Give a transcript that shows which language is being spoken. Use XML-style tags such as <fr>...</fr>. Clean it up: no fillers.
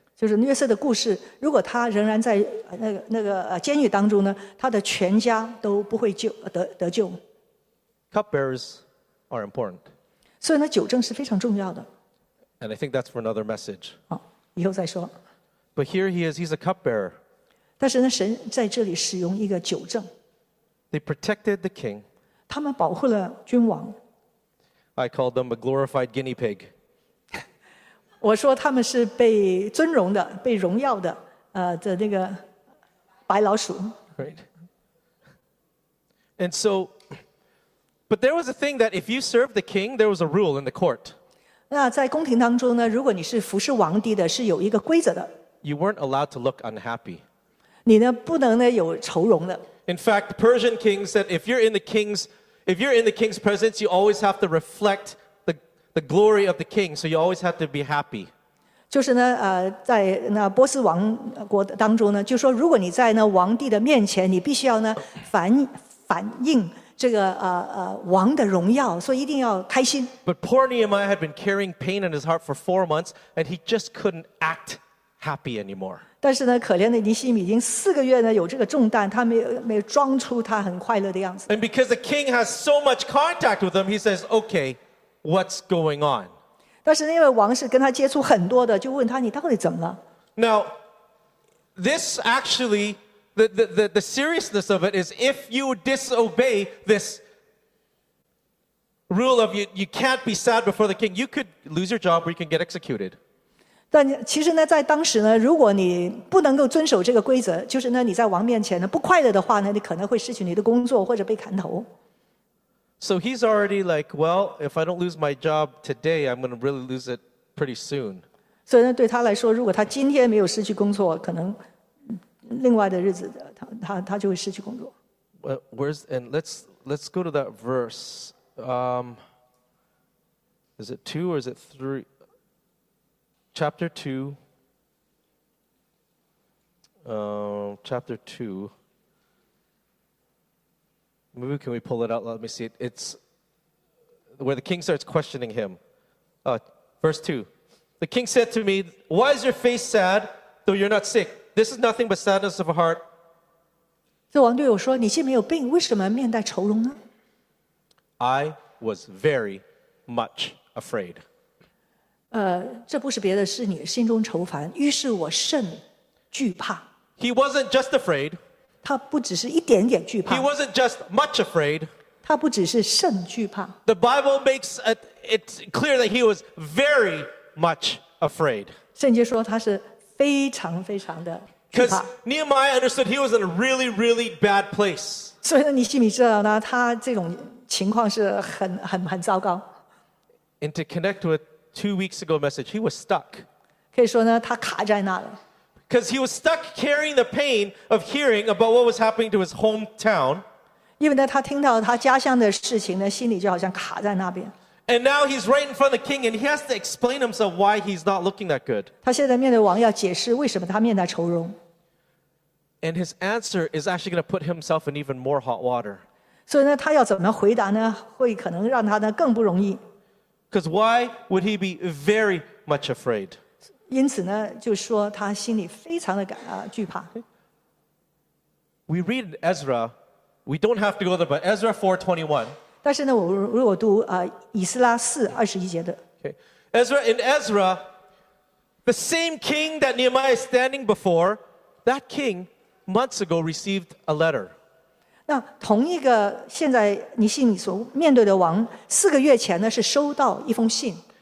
<zh>就是约瑟的故事，如果他仍然在那个监狱当中呢，他的全家都不会得救。</zh> <en>Cupbearers are important.</en> <zh>所以呢，酒政是非常重要的。</zh> <en>And I think that's for another message.</en> <zh>好，以后再说。</zh> <en>But here he is, he's a cupbearer.</en> <zh>但是呢，神在这里使用一个酒政。</zh> <en>They protected the king.</en> <zh>他们保护了君王。</zh> <en>I called them a glorified guinea pig.</en> <zh>我说他们是被尊荣的，被荣耀的，的那个白老鼠。</zh> <en>Right. And so,But there was a thing that if you served the king, there was a rule in the court.</en> <zh>那在宫廷当中呢，如果你是服侍王帝的，是有一个规则的。</zh> <en>You weren't allowed to look unhappy.</en> <zh>你呢不能呢有愁容的。</zh> <en>In fact, Persian kings said if you're in the king's presence, you always have to reflect the glory of the king, so you always have to be happy.</en> <zh>就是呢，在那波斯王国当中呢，就说如果你在那王帝的面前，你必须要呢反映。这个王的荣耀，所以一定要开心。</zh> <en>But poor Nehemiah had been carrying pain in his heart for 4 months, and he just couldn't act happy anymore.</en> <zh>但是呢，可怜的尼希米已经四个月呢有这个重担，他没装出他很快乐的样子。</zh> <en>And because the king has so much contact with him, he says, "Okay, what's going on?"</en> <zh>但是因为王是跟他接触很多的，就问他你到底怎么了</zh> <en>？Now, this actually. The seriousness of it is if you disobey this rule of you can't be sad before the king, you could lose your job or you can get executed.</en> <zh>但其实呢，在当时呢，如果你不能够遵守这个规则，就是呢，你在王面前呢不快乐的话呢，你可能会失去你的工作或者被砍头。</zh> <en>So he's already like, well, if I don't lose my job today, I'm going to really lose it pretty soon.</en> <zh>所以呢，对他来说，如果他今天没有失去工作，可能。另外的日子 他就会失去工作。</zh> <en>Let's go to that verse. Is it 2 or is it 3? Chapter 2. Chapter 2. Maybe can we pull it out? Let me see it. It's where the king starts questioning him. Verse 2. The king said to me, Why is your face sad, though you're not sick? This is nothing but sadness of a heart.</en> <zh>所以王对我说：“你既没有病，为什么面带愁容呢？”</zh> <en>I was very much afraid.</en> <zh>这不是别的，是你心中愁烦，于是我甚惧怕。</zh> <en>He wasn't just afraid.</en> <zh>他不只是一点点惧怕。</zh> <en>He wasn't just much afraid.</en> <zh>他不只是甚惧怕。</zh> <en>The Bible makes it clear that he was very much afraid.</en> <zh>圣经说他是非常非常的惧怕。</zh> <en>Because Nehemiah understood he was in a really, really bad place.</en> <zh>所以呢，尼希米知道呢，他这种情况是很糟糕。</zh> <en>And to connect with2 weeks ago message, he was stuck.</en> <zh>可以说呢，他卡在那了。</zh> <en>Because he was stuck carrying the pain of hearing about what was happening to his hometown.</en> <zh>因为呢，他听到他家乡的事情呢，心里就好像卡在那边。</zh> <en>And now he's right in front of the king, and he has to explain himself why he's not looking that good.</en> <zh>他现在面对王，要解释为什么他面带愁容。</zh> <en>And his answer is actually going to put himself in even more hot water.</en> <zh>所以呢，他要怎么回答呢？会可能让他呢更不容易。</zh> <en>Because why would he be very much afraid?</en> <zh>因此呢，就说他心里非常的惧怕。</zh> <en>We read Ezra, we don't have to go there, but Ezra 4:21.</en> <zh>但是呢，我如果读以斯拉四二十一节的。</zh> <en>Okay. Ezra, in Ezra, the same king that Nehemiah is standing before, that king months ago received a letter.</en> <zh>那同一个现在你心里所面对的王，四个月前呢是收到一封信。</zh>